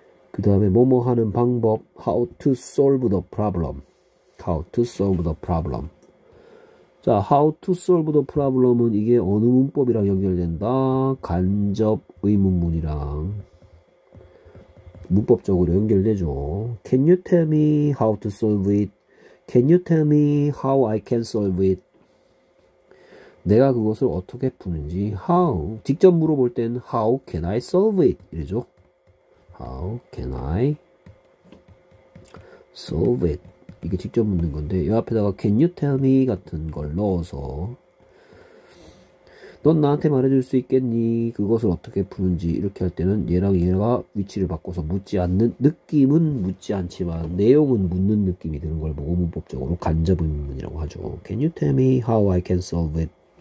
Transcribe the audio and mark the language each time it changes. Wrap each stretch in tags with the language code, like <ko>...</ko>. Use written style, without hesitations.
<ko>그 다음에 뭐뭐 하는 방법.</ko> <en>How to solve the problem. How to solve the problem.</en> <ko>자,</ko> <en>how to solve the problem</en> <ko>은 이게 어느 문법이랑 연결된다? 간접 의문문이랑 문법적으로 연결되죠.</ko> <en>Can you tell me how to solve it? Can you tell me how I can solve it?</en> <ko>내가 그것을 어떻게 푸는지.</ko> <en>How?</en> <ko>직접 물어볼 땐</ko> <en>how can I solve it?</en> <ko>이러죠.</ko> <en>How can I solve it?</en> <ko>이게 직접 묻는 건데, 이 앞에다가</ko> <en>Can you tell me</en> <ko>같은 걸 넣어서, 넌 나한테 말해줄 수 있겠니? 그것을 어떻게 푸는지 이렇게 할 때는 얘랑 얘가 위치를 바꿔서 묻지 않는, 느낌은 묻지 않지만 내용은 묻는 느낌이 드는 걸 보고 문법적으로 간접 의문이라고 하죠.</ko> <en>Can you tell me how I can solve it?</en>